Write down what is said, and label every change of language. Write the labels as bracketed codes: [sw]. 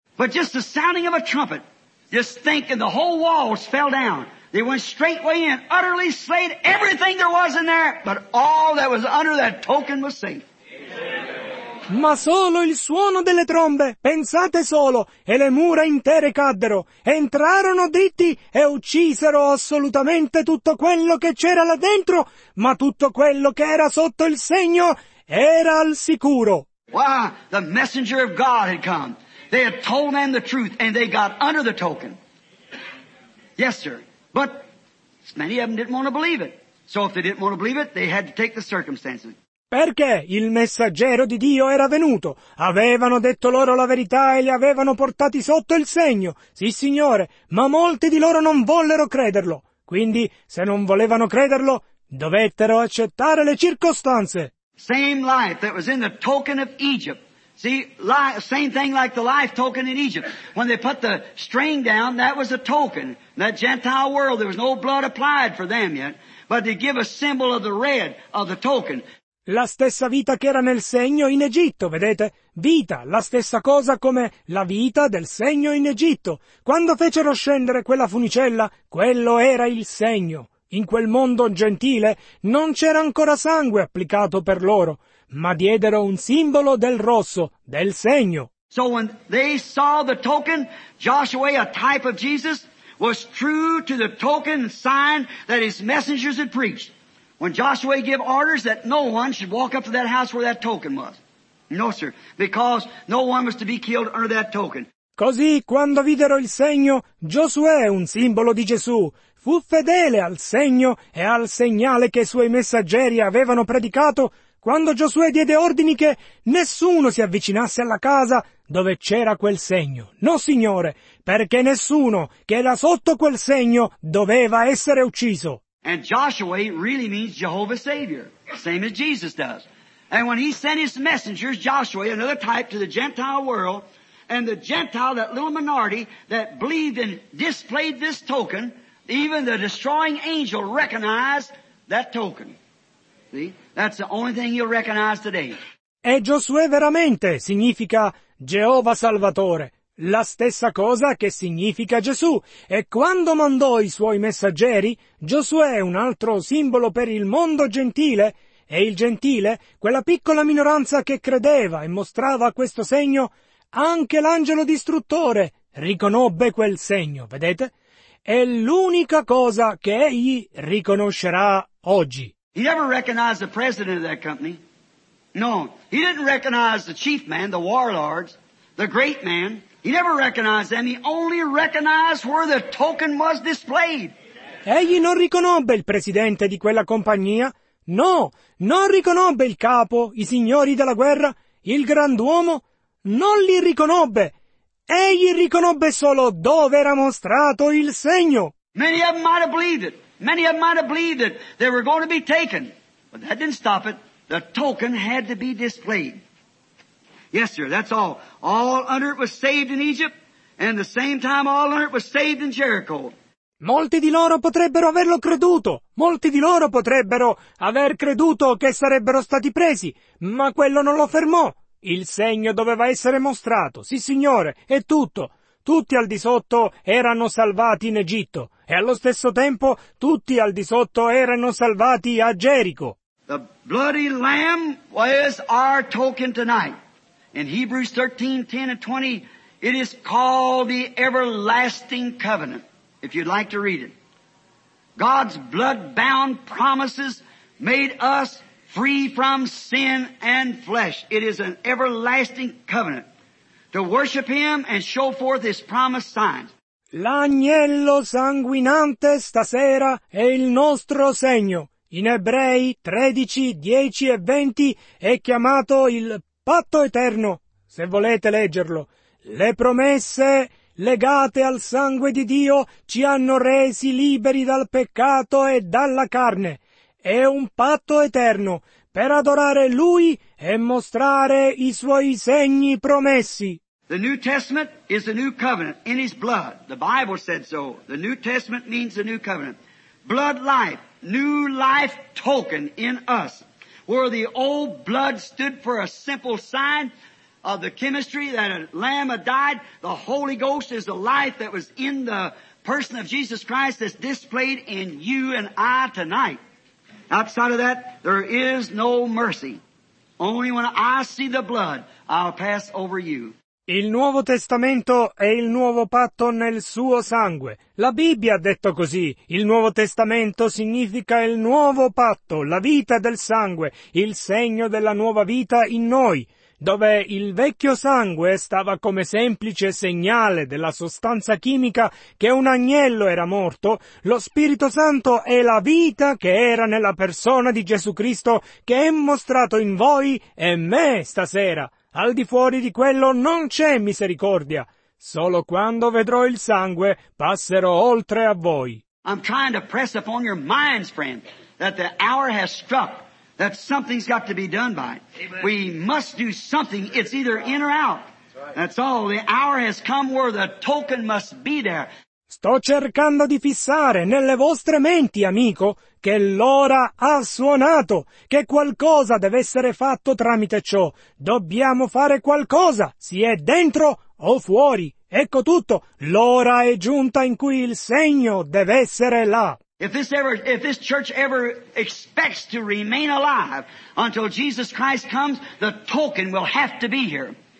[en] But just the sounding of a trumpet, just think, and the whole walls fell down. They went straightway in, utterly slayed everything there was in there, but all that was under that token was safe. [it] Ma solo il suono delle trombe, pensate solo, e le mura intere caddero, entrarono dritti e uccisero assolutamente tutto quello che c'era là dentro, ma tutto quello che era sotto il segno era al sicuro. [en] Wow, the messenger of God had come. They had told them the truth, and they got under the token. Yes, sir. But many of them didn't want to believe it. So if they didn't want to believe it, they had to take the circumstances. [it] Perché il messaggero di Dio era venuto. Avevano detto loro la verità e li avevano portati sotto il segno. Sì, signore, ma molti di loro non vollero crederlo. Quindi, se non volevano crederlo, dovettero accettare le circostanze. [en] Same life that was in the token of Egypt. See, same thing like the life token in Egypt. When they put the string down, that was a token. In that Gentile world, there was no blood applied for them yet. But they give a symbol of the red of the token. [it] La stessa vita che era nel segno in Egitto, vedete? Vita, la stessa cosa come la vita del segno in Egitto. Quando fecero scendere quella funicella, quello era il segno. In quel mondo gentile non c'era ancora sangue applicato per loro, ma diedero un simbolo del rosso, del segno. [en] So when they saw the token, Joshua, a type of Jesus, was true to the token sign that his messengers had preached. When Joshua gave orders that no one should walk up to that house where that token was. No, sir, because no one was to be killed under that token. [it] Così, quando videro il segno, Giosuè, un simbolo di Gesù, fu fedele al segno e al segnale che i suoi messaggeri avevano predicato. quando Giosuè diede ordini che nessuno si avvicinasse alla casa dove c'era quel segno. No, Signore, perché nessuno che era sotto quel segno doveva essere ucciso. [en] And Joshua really means Jehovah Savior, same as Jesus does. And when he sent his messengers, Joshua, another type, to the Gentile world, and the Gentile, that little minority that believed and displayed this token, even the destroying angel recognized that token. See? That's the only thing you'll recognize today. [it] E Giosuè veramente significa Geova Salvatore. La stessa cosa che significa Gesù. E quando mandò i suoi messaggeri, Giosuè è un altro simbolo per il mondo gentile. E il gentile, quella piccola minoranza che credeva e mostrava questo segno, anche l'angelo distruttore riconobbe quel segno, vedete? È l'unica cosa che egli riconoscerà oggi. [en] He never recognized the president of that company. No, he didn't recognize the chief man, the warlords, the great man. He never recognized them. He only recognized where the token was displayed. [it] Egli non riconobbe il presidente di quella compagnia. No, non riconobbe il capo, i signori della guerra, il grand'uomo. Non li riconobbe. Egli riconobbe solo dove era mostrato il segno. [en] Many of them might have believed it. Many of them might have believed that they were going to be taken. But that didn't stop it. The token had to be displayed. Yes, sir, that's all. All under it was saved in Egypt, and the same time all under it was saved in Jericho. [it] Molti di loro potrebbero averlo creduto. Molti di loro potrebbero aver creduto che sarebbero stati presi. Ma quello non lo fermò. Il segno doveva essere mostrato. Sì, signore, è tutto. Tutti al di sotto erano salvati in Egitto. E allo stesso tempo, tutti al di sotto erano salvati a Gerico. [en] The bloody lamb was our token tonight. In Hebrews 13:10-20, it is called the everlasting covenant, if you'd like to read it. God's blood-bound promises made us free from sin and flesh. It is an everlasting covenant to worship Him and show forth His promised signs. [it] L'agnello sanguinante stasera è il nostro segno. In Ebrei 13:10-20 è chiamato il patto eterno, se volete leggerlo. Le promesse legate al sangue di Dio ci hanno resi liberi dal peccato e dalla carne. È un patto eterno per adorare Lui e mostrare i Suoi segni promessi. [en] The New Testament is the new covenant in His blood. The Bible said so. The New Testament means the new covenant. Blood life, new life token in us. Where the old blood stood for a simple sign of the chemistry that a lamb had died, the Holy Ghost is the life that was in the person of Jesus Christ that's displayed in you and I tonight. Outside of that, there is no mercy. Only when I see the blood, I'll pass over you. [it] Il Nuovo Testamento è il nuovo patto nel suo sangue. La Bibbia ha detto così. Il Nuovo Testamento significa il nuovo patto, la vita del sangue, il segno della nuova vita in noi, dove il vecchio sangue stava come semplice segnale della sostanza chimica che un agnello era morto, lo Spirito Santo è la vita che era nella persona di Gesù Cristo che è mostrato in voi e me stasera. Al di fuori di quello non c'è misericordia. Solo quando vedrò il sangue passerò oltre a voi. [en] I'm trying to press upon your minds, friend, that the hour has struck, that something's got to be done by it. Amen. We must do something. It's either in or out. That's all. The hour has come where the token must be there. [it] Sto cercando di fissare nelle vostre menti, amico, che l'ora ha suonato, che qualcosa deve essere fatto tramite ciò. Dobbiamo fare qualcosa, sia dentro o fuori. Ecco tutto, l'ora è giunta in cui il segno deve essere là. [en] If this church ever expects to remain alive until Jesus Christ comes, the token will have to be here.